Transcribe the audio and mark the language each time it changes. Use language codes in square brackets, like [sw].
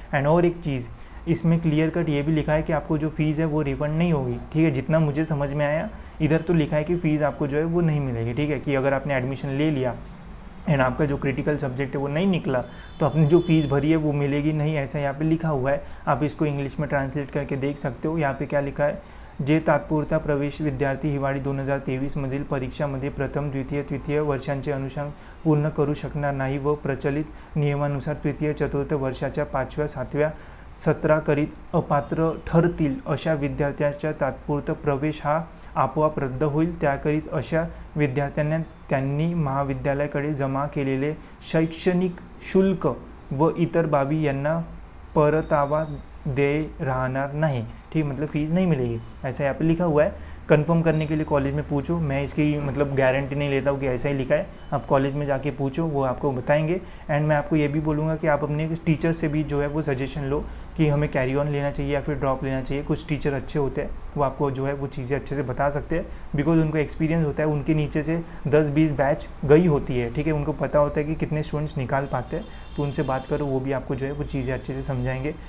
[hi] And और एक चीज़ इसमें क्लियर कट ये भी लिखा है कि आपको जो फीस है वो रिफंड नहीं होगी, ठीक है। जितना मुझे समझ में आया इधर तो लिखा है कि फ़ीस आपको जो है वो नहीं मिलेगी, ठीक है, कि अगर आपने एडमिशन ले लिया एंड आपका जो क्रिटिकल सब्जेक्ट है वो नहीं निकला तो आपने जो फीस भरी है वो मिलेगी नहीं, ऐसा यहाँ पे लिखा हुआ है। आप इसको इंग्लिश में ट्रांसलेट करके देख सकते हो, यहाँ पे क्या लिखा है, [mr] जे तात्पुरता प्रवेश विद्यार्थी हिवाळी 2023 मधील परीक्षामध्ये प्रथम द्वितीय तृतीय वर्षांचे अनुषंग पूर्ण करू शकणार नाही व प्रचलित नियमानुसार तृतीय चतुर्थ वर्षाच्या पाचव्या सातव्या सत्राकरीत अपात्र ठरतील अशा विद्यार्थ्यांचा तात्पुरता प्रवेश हा आपोआप रद्द होईल, त्याकरीत अशा विद्यार्थ्यांना त्यांनी महाविद्यालयाकडे जमा केलेले शैक्षणिक शुल्क व इतर बाबी यांना परतावा दे राहणार नाही, ठीक, [hi] मतलब फीस नहीं मिलेगी, ऐसा यहाँ पे लिखा हुआ है। कंफर्म करने के लिए कॉलेज में पूछो, मैं इसकी मतलब गारंटी नहीं लेता हूँ कि ऐसा ही लिखा है, आप कॉलेज में जाके पूछो वो आपको बताएंगे। एंड मैं आपको ये भी बोलूँगा कि आप अपने टीचर से भी जो है वो सजेशन लो कि हमें कैरी ऑन लेना चाहिए या फिर ड्रॉप लेना चाहिए, कुछ टीचर अच्छे होते हैं वो आपको जो है वो चीज़ें अच्छे से बता सकते हैं, बिकॉज उनको एक्सपीरियंस होता है, उनके नीचे से 10-20 बैच गई होती है, ठीक है, उनको पता होता है कि कितने स्टूडेंट्स निकाल पाते हैं, तो उनसे बात करो वो भी आपको जो है वो चीज़ें अच्छे से समझाएंगे।